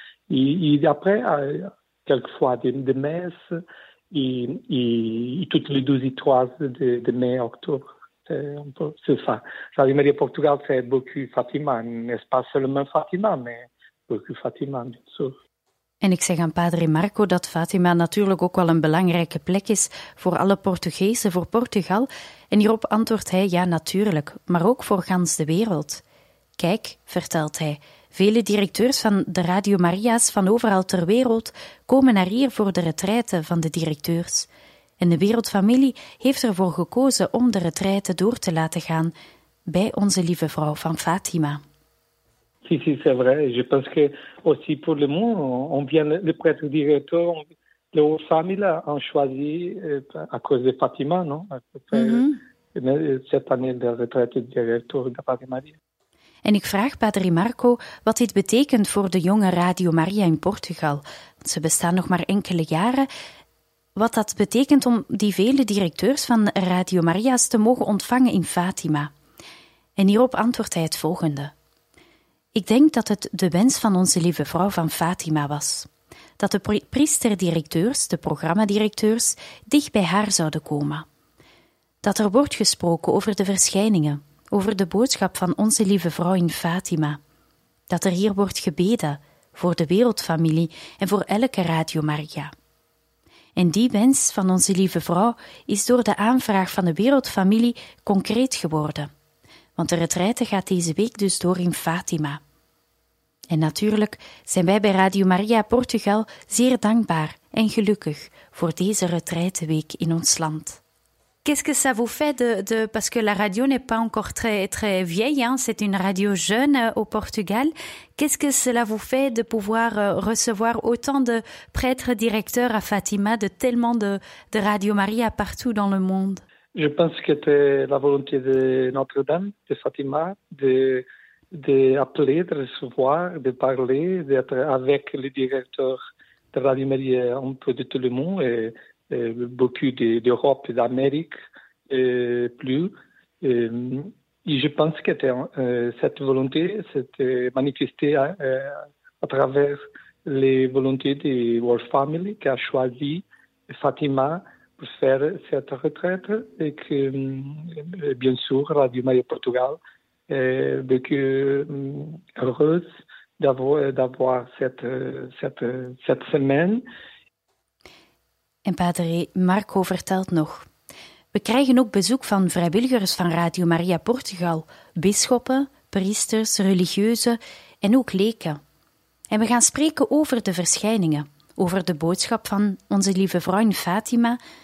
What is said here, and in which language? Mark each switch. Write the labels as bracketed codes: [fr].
[fr] Et après, quelquefois, des messes, et toutes les 12h30 de mai à octobre. C'est ça. Radio Maria Portugal, c'est beaucoup Fatima. N'est-ce pas seulement Fatima, mais beaucoup Fatima, bien sûr. [nl] En ik zeg aan Padre Marco dat Fatima natuurlijk ook wel een belangrijke plek is voor alle Portugezen, voor Portugal. En hierop antwoordt hij, ja, natuurlijk, maar ook voor gans de wereld. Kijk, vertelt hij, vele directeurs van de Radio Maria's van overal ter wereld komen naar hier voor de retraite van de directeurs. En de wereldfamilie heeft ervoor gekozen om de retraite door te laten gaan bij Onze Lieve Vrouw van Fatima. Si, si, c'est vrai. Je pense que aussi pour le monde, on vient le prêtre directeur les autres familles ont choisi à cause de Fatima, non? Cette année de retraite du directeur de Padre Maria. En ik vraag Padre Marco wat dit betekent voor de jonge Radio Maria in Portugal. Ze bestaan nog maar enkele jaren. Wat dat betekent om die vele directeurs van Radio Maria's te mogen ontvangen in Fatima. En hierop antwoordt hij het volgende. Ik denk dat het de wens van onze lieve vrouw van Fatima was. Dat de priesterdirecteurs, de programmadirecteurs, dicht bij haar zouden komen. Dat er wordt gesproken over de verschijningen, over de boodschap van onze lieve vrouw in Fatima. Dat er hier wordt gebeden voor de wereldfamilie en voor elke Radio Maria. En die wens van onze lieve vrouw is door de aanvraag van de wereldfamilie concreet geworden. Want de retraite gaat deze week dus door in Fatima. En natuurlijk zijn wij bij Radio Maria Portugal zeer dankbaar en gelukkig voor deze retraiteweek in ons land. [fr] Qu'est-ce que ça vous fait de parce que la radio n'est pas encore très très vieille, hein, c'est une radio jeune au Portugal. Qu'est-ce que cela vous fait de pouvoir recevoir autant de prêtres directeurs à Fatima, de tellement de Radio Maria partout dans le monde? Je pense que c'est la volonté de Notre-Dame, de Fatima, d'appeler, de recevoir, de parler, d'être avec les directeurs de Radio Maria un peu de tout le monde et beaucoup d'Europe et d'Amérique plus. Et je pense que cette volonté s'est manifestée à travers les volontés de World Family qui a choisi Fatima pour faire cette retraite et que, bien sûr, Radio Maria Portugal est beaucoup heureuse d'avoir cette semaine. [nl] En Padre Marco vertelt nog. We krijgen ook bezoek van vrijwilligers van Radio Maria Portugal. Bisschoppen, priesters, religieuzen en ook leken. En we gaan spreken over de verschijningen. Over de boodschap van onze lieve vrouw in Fatima.